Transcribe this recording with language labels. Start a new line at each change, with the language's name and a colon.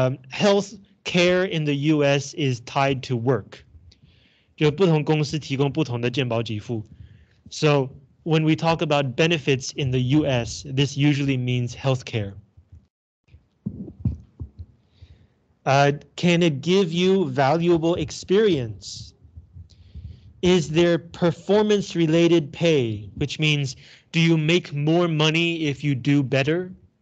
English: Health care in the US is tied to work.
Chinese: 就不同公司提供不同的健保给付.
English: So when we talk about benefits in the US, this usually means health care. Can it give you valuable experience? Is there performance related pay, which means do you make more money if you do better?